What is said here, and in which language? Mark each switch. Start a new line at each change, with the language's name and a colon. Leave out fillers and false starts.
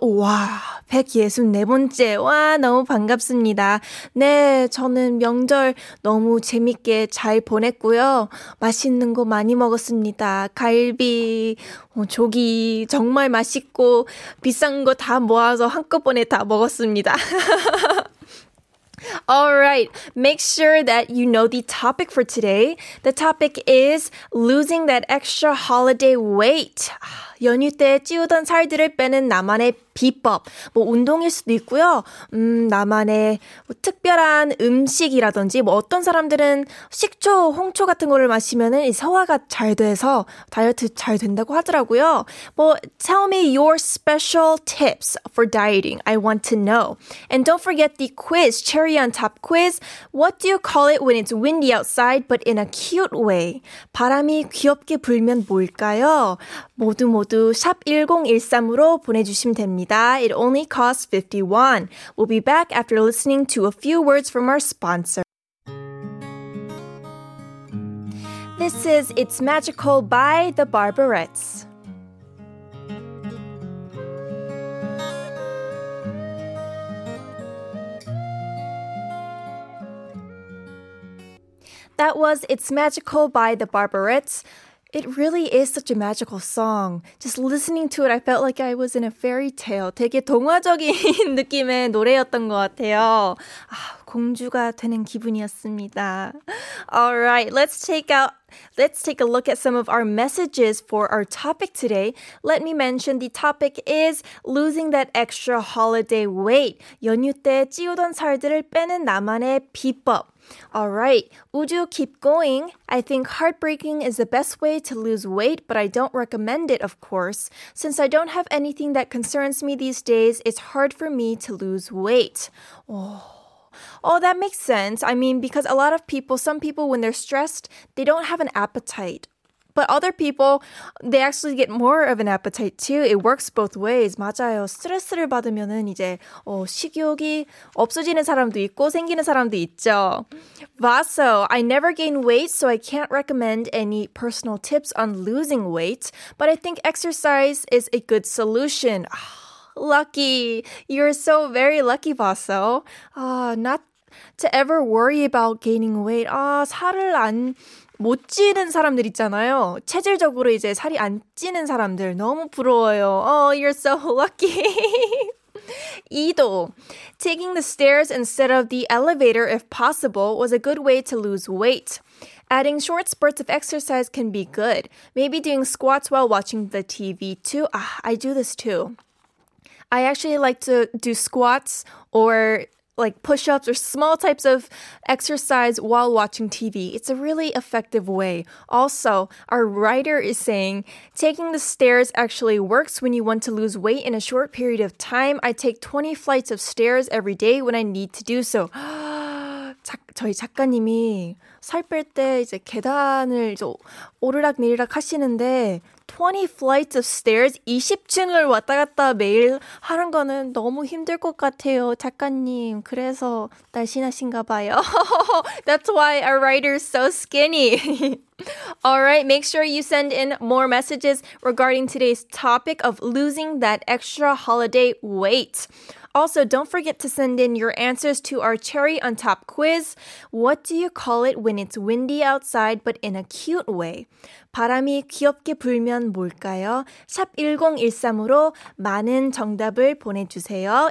Korean: 와, 164번째. 와, 너무 반갑습니다. 네, 저는 명절 너무 재밌게 잘 보냈고요. 맛있는 거 많이 먹었습니다. 갈비, 조기 정말 맛있고 비싼 거 다 모아서 한꺼번에 다 먹었습니다.
English: Alright, make sure that you know the topic for today. The topic is losing that extra holiday weight.
Korean: 연휴 때 찌우던 살들을 빼는 나만의 비법. 뭐 운동일 수도 있고요. 나만의 뭐 특별한 음식이라든지 뭐 어떤 사람들은 식초, 홍초 같은 거를 마시면은 소화가 잘 돼서 다이어트 잘 된다고 하더라고요.
English: 뭐 tell me your special tips for dieting. I want to know. And don't forget the quiz, cherry on top quiz. What do you call it when it's windy outside but in a cute way?
Korean: 바람이 귀엽게 불면 뭘까요? 모두 모두 샵1013으로 보내주시면 됩니다.
English: It only costs 50 won. We'll be back after listening to a few words from our sponsor. This is It's Magical by The Barberettes. That was It's Magical by The Barberettes. It really is such a magical song. Just listening to it, I felt like I was in a fairy tale.
Korean: 되게 동화적인 느낌의 노래였던 것 같아요. 공주가 되는 기분이었습니다.
English: All right, let's take a look at some of our messages for our topic today. Let me mention the topic is losing that extra holiday weight.
Korean: 연휴 때 찌우던 살들을 빼는 나만의 비법.
English: All right, Uju, keep going. I think heartbreaking is the best way to lose weight, but I don't recommend it, of course. Since I don't have anything that concerns me these days, it's hard for me to lose weight. Oh, that makes sense. I mean, because a lot of people, some people, when they're stressed, they don't have an appetite. But other people, they actually get more of an appetite too. It works both ways.
Korean: 맞아요. 스트레스를 받으면은 이제 식욕이 없어지는 사람도 있고 생기는 사람도 있죠.
English: Vaso, I never gain weight, so I can't recommend any personal tips on losing weight. But I think exercise is a good solution. Lucky. You're so very lucky, Vaso. Not to ever worry about gaining weight.
Korean: 살을 안... 못 찌는 사람들 있잖아요. 체질적으로 이제 살이 안 찌는 사람들 너무 부러워요.
English: Oh, you're so lucky. 이도. Taking the stairs instead of the elevator, if possible, was a good way to lose weight. Adding short spurts of exercise can be good. Maybe doing squats while watching the TV too. I do this too. I actually like to do squats or... like push-ups or small types of exercise while watching TV. It's a really effective way. Also, our writer is saying, taking the stairs actually works when you want to lose weight in a short period of time. I take 20 flights of stairs every day when I need to do so.
Korean: 저희 작가님이 살 뺄 때 이제 계단을 이제 오르락내리락 하시는데
English: 20 flights of stairs,
Korean: 20층을 왔다 갔다 매일 하는 거는 너무 힘들 것 같아요, 작가님. 그래서 날씬하신가 봐요.
English: That's why our writer is so skinny. All right, make sure you send in more messages regarding today's topic of losing that extra holiday weight. Also, don't forget to send in your answers to our cherry on top quiz. What do you call it when it's windy outside but in a cute way?
Korean: 바람이 귀엽게 불면 뭘까요? 샵 1013으로 많은 정답을 보내주세요.